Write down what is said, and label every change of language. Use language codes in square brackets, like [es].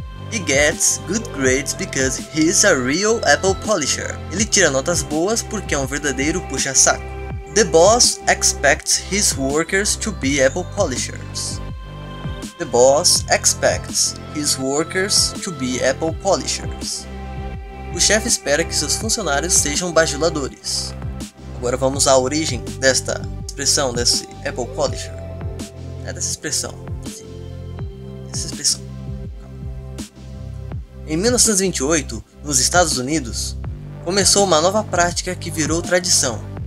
[en] He gets good grades because he's a real Apple Polisher. [pt] Ele tira notas boas porque é um verdadeiro puxa-saco. [en] The boss expects his workers to be Apple Polishers. The boss expects his workers to be Apple Polishers. [pt] O chefe espera que seus funcionários sejam bajuladores. Agora vamos à origem desta expressão, desse Apple Polisher. Dessa expressão. Em 1928, nos Estados Unidos, começou uma nova prática que virou tradição.